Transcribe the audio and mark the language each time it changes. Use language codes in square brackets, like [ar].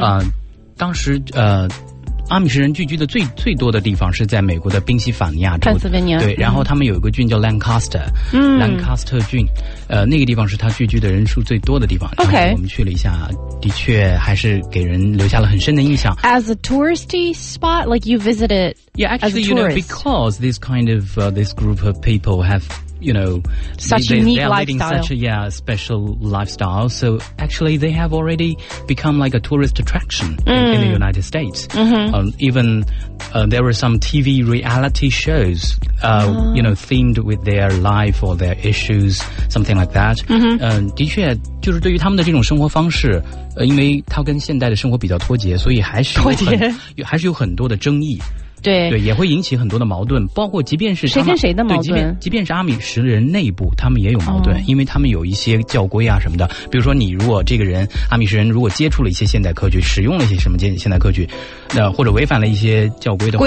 [zh] 啊、当时阿米什人聚居的最多的地方是在美国的宾夕法尼亚州，对、嗯，然后他们有一个郡叫 Lancaster，嗯，Lancaster 郡，那个地方是他聚居的人数最多的地方。 OK，我们去了一下，的确还是给人留下了很深的印象。 [en] As a touristy spot, like you visited, yeah, actually, you know, because this kind of、this group of people have, you know, such they, unique they are lifestyle, such a, yeah, special lifestyle. So actually, they have already become like a tourist attraction、 mm. in the United States. Mm-hmm. Even there were some TV reality shows, you know, themed with their life or their issues, something like that. Mm-hmm. [zh] 的确，就是对于他们的这种生活方式，因为它跟现代的生活比较脱节，所以还是还是有很多的争议。对对，也会引起很多的矛盾，包括即便是谁跟谁的矛盾，对，即便是阿米什人内部，他们也有矛盾、哦，因为他们有一些教规啊什么的。比如说，你如果这个人阿米什人如果接触了一些现代科技，使用了一些什么现代科技，那、或者违反了一些教规的话